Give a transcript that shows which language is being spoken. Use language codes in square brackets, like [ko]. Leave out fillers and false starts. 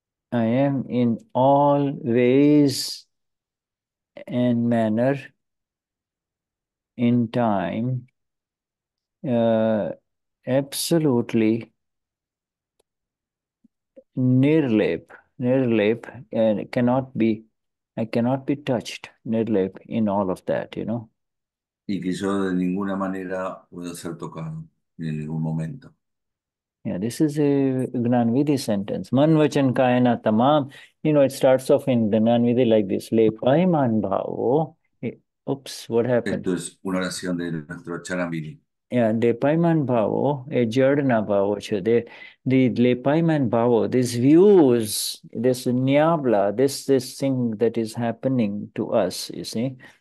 [en] I am in all ways and manner in time, absolutely nirlep. Nirlep and cannot be, I cannot be touched. Nirlep in all of that, you know. [es] Y que yo de ninguna manera puedo ser tocado en ningún momento. [en] Yeah, this is a Gnanvidhi sentence. [gu] Man vachan kayana tamam. [en] You know, it starts off in Gnanvidhi like this. [gu] Lepai man bhavo. [en] Oops, what happened? [es] Esto es una oración de nuestro Charanvidhi. [gu] Yeah, lepai man bhavo, a jardana bhavo. [en] The lepai man bhavo, these views, this niabla, this thing that is happening to us, you see.